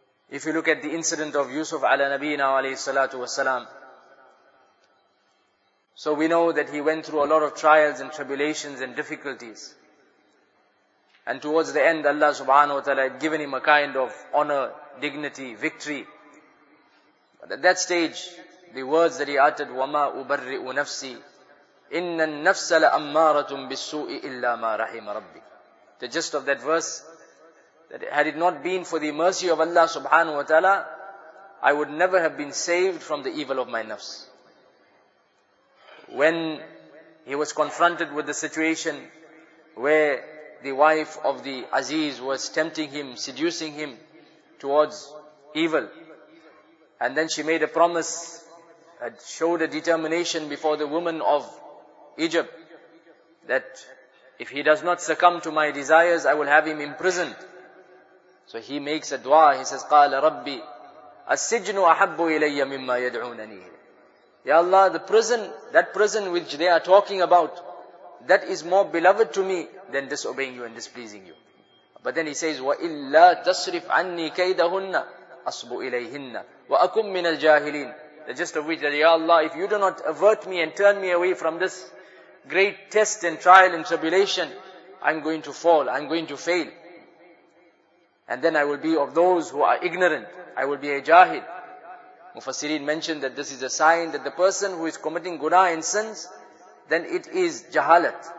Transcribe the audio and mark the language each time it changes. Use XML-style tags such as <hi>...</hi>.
<en>If you look at the incident of Yusuf ala nabiyina alayhi salatu wa salam, so we know that he went through a lot of trials and tribulations and difficulties. And towards the end, Allah subhanahu wa ta'ala had given him a kind of honor, dignity, victory. But at that stage, the words that he uttered,</en> <ar>وَمَا أُبَرِّئُ نَفْسِي إِنَّ النَّفْسَ لَأَمَّارَةٌ بِالسُّوءِ إِلَّا مَا رَحِمَ رَبِّي.</ar> <en>The gist of that verse, that had it not been for the mercy of Allah subhanahu wa ta'ala, I would never have been saved from the evil of my nafs. When he was confronted with the situation where the wife of the Aziz was tempting him, seducing him towards evil, and then she made a promise, had showed a determination before the woman of Egypt, that if he does not succumb to my desires, I will have him imprisoned. So he makes a dua. He says,</en> <ar>قَالَ رَبِّي السِّجْنُ أَحَبُّ إِلَيَّ مِمَّا يَدْعُونَنِي.</ar> <en>Ya Allah, that prison which they are talking about, that is more beloved to me than disobeying you and displeasing you. But then he says,</en> <ar>وَإِلَّا تَصْرِفْ عَنِّي كَيْدَهُنَّ أَصْبُ إِلَيْهِنَّ وَأَكُمْ مِنَ الْجَاهِلِينَ.</ar> <en>The gist of which, that Ya Allah, if you do not avert me and turn me away from this great test and trial and tribulation, I'm going to fall, I'm going to fail. And then I will be of those who are ignorant. I will be a jahil. Mufassirin mentioned that this is a sign that the person who is committing guna and sins, then it is jahalat.</en>